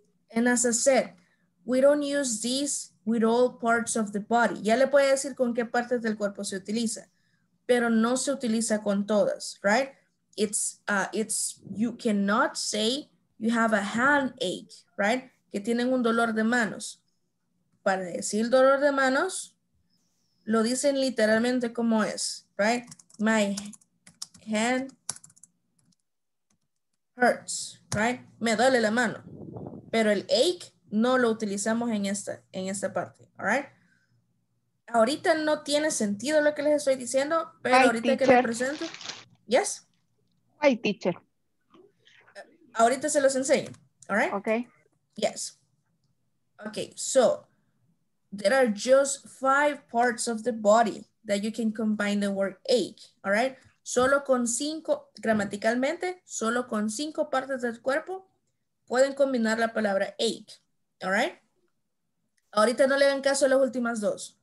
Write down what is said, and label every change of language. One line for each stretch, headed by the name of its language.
English: And as I said, we don't use this with all parts of the body.
Spanish: Ya le puedo decir con qué partes del cuerpo se utiliza, pero no se utiliza con todas, right?
English: It's you cannot say you have a hand ache, right?
Spanish: Que tienen un dolor de manos. Para decir dolor de manos, lo dicen literalmente como es, right?
English: My hand hurts, right?
Spanish: Me duele la mano. Pero el ache no lo utilizamos en esta parte, all right? Ahorita no tiene sentido lo que les estoy diciendo, pero hi, ahorita teacher. Que lo presento.
English: Yes? Hi, teacher.
Spanish: Ahorita se los enseño, all right?
English: Okay. Yes. Okay, so there are just five parts of the body that you can combine the word ache, all right?
Spanish: solo con cinco, gramaticalmente, solo con cinco partes del cuerpo pueden combinar la palabra ache. All right? Ahorita no le den caso a las últimas dos.